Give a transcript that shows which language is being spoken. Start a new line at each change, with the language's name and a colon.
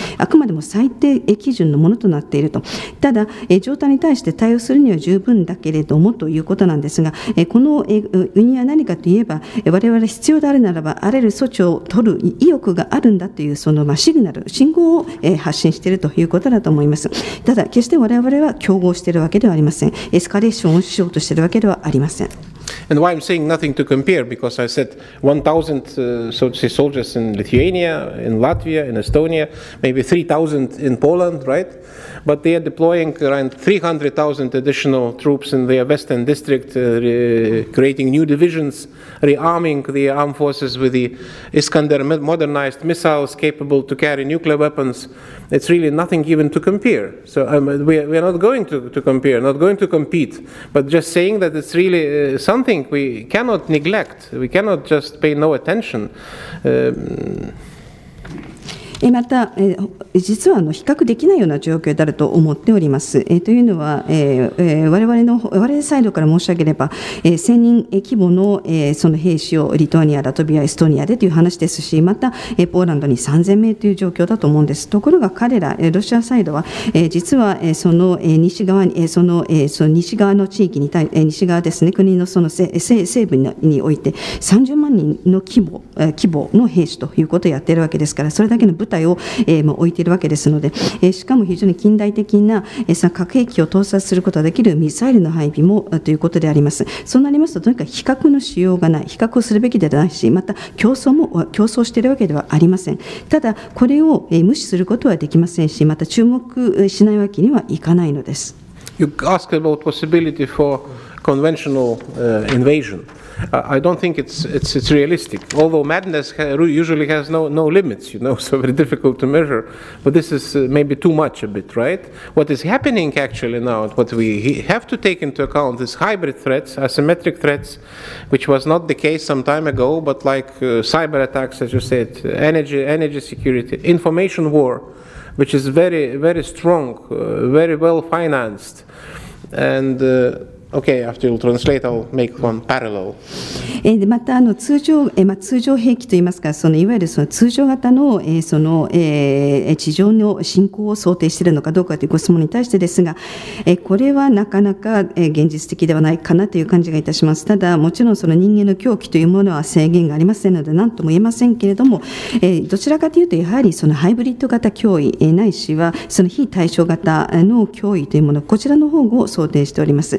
Japanese: あくまでも最低基準のものとなっていると。ただ状態に対して対応するには十分だけれどもということなんですが、この国は何かといえば、我々必要であるならばあらゆる措置を取る意欲があるんだというそのシグナル、信号を発信しているということだと思います。ただ決して我々は競合しているわけではありません。エスカレーションをしようとしているわけではありません。
English: And why I'm saying nothing to compare, because I said 1,000 soldiers in Lithuania, in Latvia, in Estonia, maybe 3,000 in Poland, right? But they are deploying around 300,000 additional troops in their western district, creating new divisions, rearming the armed forces with the Iskander modernized missiles capable to carry nuclear weapons. It's really nothing even to compare. So we are not going to compare, not going to compete, but just saying that it's really something we cannot neglect. We cannot just pay no attention.
Japanese: また実は比較できないような状況であると思っております。というのは我々サイドから申し上げれば1000人規模 その兵士をリトアニア、ラトビア、エストニアでという話ですし、またポーランドに3000名という状況だと思うんです。ところが彼らロシアサイドは実はその西側に西側の地域に対西側ですね、国 その西部において30万人の規模の兵士ということをやっているわけですから、それだけの部隊を置いているわけですので、しかも非常に近代的な核兵器を搭載することができるミサイルの配備もということであります。そうなりますと、とにかく比較のしようがない、比較をするべきではないし、また競争しているわけではありません。ただこれを無視することはできませんし、また注目しないわけにはいかないのです。
English: You ask about possibility for conventional invasion. I don't think it's realistic, although madness usually has no limits, you know, so very difficult to measure. But this is maybe too much a bit, right? What is happening actually now, what we have to take into account is hybrid threats, asymmetric threats, which was not the case some time ago, but like cyber attacks, as you said, energy security, information war, which is very, very strong, very well financed. And Okay, after you translate, I'll make one parallel.
Japanese: また通常兵器といいますか、そのいわゆるその通常型 の、その、地上の侵攻を想定しているのかどうかというご質問に対してですが、これはなかなか現実的ではないかなという感じがいたします。ただもちろんその人間の狂気というものは制限がありませんので何とも言えませんけれども、どちらかというとやはりそのハイブリッド型脅威、ないしはその非対称型の脅威というもの、こちらの方を想定しております。